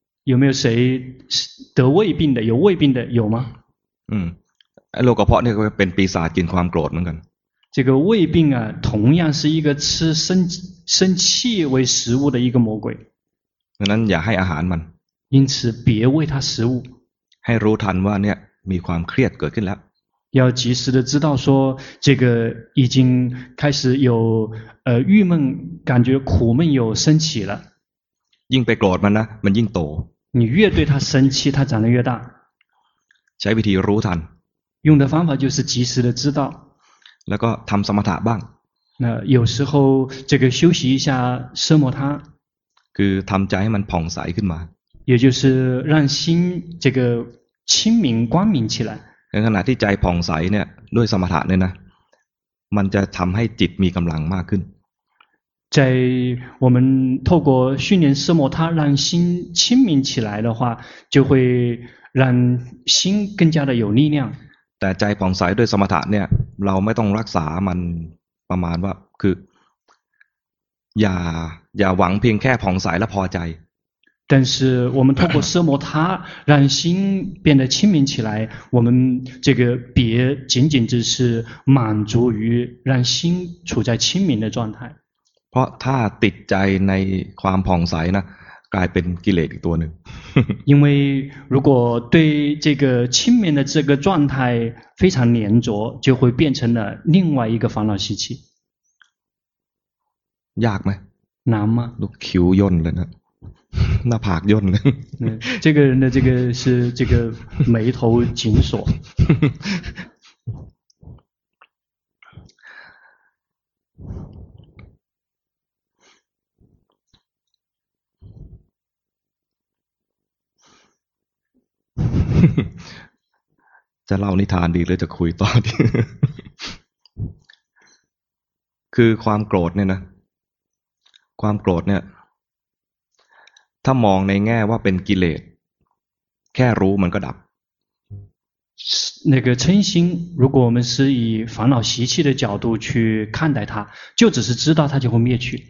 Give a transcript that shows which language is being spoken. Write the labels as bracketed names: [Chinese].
[Chinese] 有没有谁得胃病的有胃病的有吗 [Thai] โรคกระเพาะเนี่ยก็เป็นปีศาจกินความโกรธเหมือนกัน [Chinese] 这个胃病啊同样是一个吃生气为食物的一个魔鬼 [Thai] ดังนั้นอย่าให้อาหารมัน [Chinese] 因此别喂它食物 [Thai] ให้รู้ทันว่าเนี่ยมีความเครียดเกิดขึ้นแล้ว [Chinese] 要及时的知道说这个已经开始有郁闷感觉苦闷有升起了 [Thai] ยิ่งไปโกรธมันนะมันยิ่งโต [Chinese] 你越对它生气它长得越大 [Thai] ใช้วิธีรู้ทัน [Chinese] 用的方法就是及时的知道 [Thai] แล้วก็ทำสมถะบ้าง [Chinese] 那有时候这个休息一下奢摩他 [Thai] คือทำใจให้มันผ่องใสขึ้นมา [Chinese] 也就是让心这个清明光明起来 [Thai] ในขณะที่ใจผ่องใสเนี่ยด้วยสมถะเนี่ยนะมันจะทำให้จิตมีกำลังมากขึ้น [Chinese] 在我们透过训练奢摩他让心清明起来的话就会让心更加的有力量 [Thai] แต่ใจผ่องใสด้วยสมถะเนี่ยเราไม่ต้องรักษามันประมาณว่าคืออย่าหวังเพียงแค่ผ่องใสและพอใจ [Chinese] 但是我们通过奢摩他让心变得清明起来我们这个别仅仅只是满足于让心处在清明的状态 [Thai] เพราะถ้าติดใจในความผ่องใสนะกลายเป็นกิเลสอีกตัวหนึ่ง [Chinese] 因为如果对这个清明的这个状态非常黏着就会变成了另外一个烦恼习气 [Thai] ยากไหม น้ำมะ ลูกคิ้วย่นเลยนะหน้าผากย่นเลย [Chinese] 这个人的这个是这个眉头紧锁 [Thai] จะเล่านิทานดีหรือจะคุยต่อดีคือความโกรธเนี่ยนะความโกรธเนี่ยถ้ามองในแง่ว่าเป็นกิเลสแค่รู้มันก็ดับ [Chinese] 那个嗔心如果我们是以烦恼习气的角度去看待它就只是知道它就会灭去